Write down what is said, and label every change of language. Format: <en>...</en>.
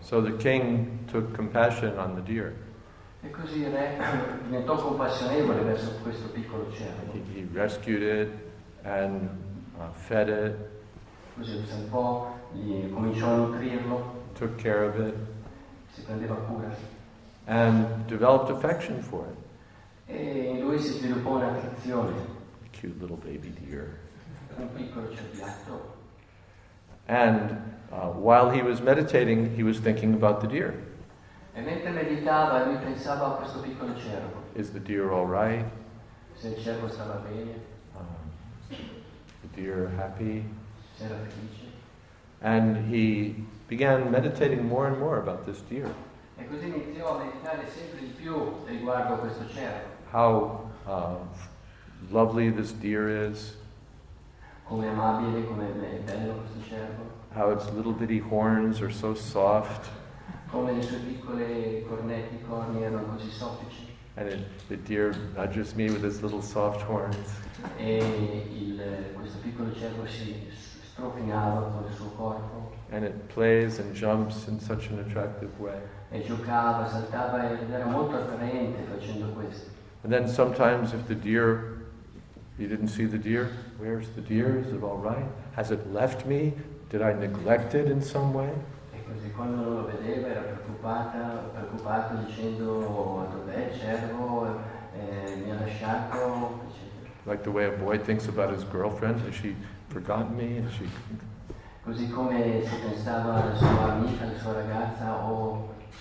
<en>So the king took compassion on the deer.</en> <it>E così il re diventò compassionevole verso questo piccolo cervo.</it> <en>He rescued it and fed it.</en> <it>Così lo salvò, gli cominciò a nutrirlo.</it> <en>Took care of it.</en> <it>Si prendeva cura.</it> <en>And developed affection for it.</en> <it>E in lui si sviluppò un'attrazione.</it> <en>Cute little baby deer.</en> <it>Un piccolo cervietto.</it> <en>And while he was meditating, he was thinking about the deer.</en> <it>E mentre meditava, lui pensava a questo piccolo cervo.</it> <en>Is the deer all right?</en> <it>Se il cervo stava bene.</it> <en>The deer happy?</en> <it>Era felice.</it> <en>And he began meditating more and more about this deer.</en> <it>E così iniziò a meditare sempre di più riguardo questo cervo.</it> <en>How lovely this deer is.</en> <it>Come amabile, come bello questo cervo.</it> <en>How its little bitty horns are so soft.</en> <it>Come le sue piccole cornette, corni erano così soffici.</it> <en>And the deer nudges me with its little soft horns.</en> <it>E questo piccolo cervo si strofinava con il suo corpo.</it> <en>And it plays and jumps in such an attractive way.</en> <it>E giocava, saltava ed era molto attraente facendo questo.</it> <en>And then sometimes if the deer, you didn't see the deer? Where's the deer? Is it all right? Has it left me? Did I neglect it in some way?</en> <it>E così quando lo vedeva era preoccupato dicendo dov'è il cervo? Mi ha lasciato, eccetera.</it> <en>like the way a boy thinks about his girlfriend, has she forgotten me? Has she...</en> <it>Così come si pensava alla sua amica, alla sua ragazza, o...</it>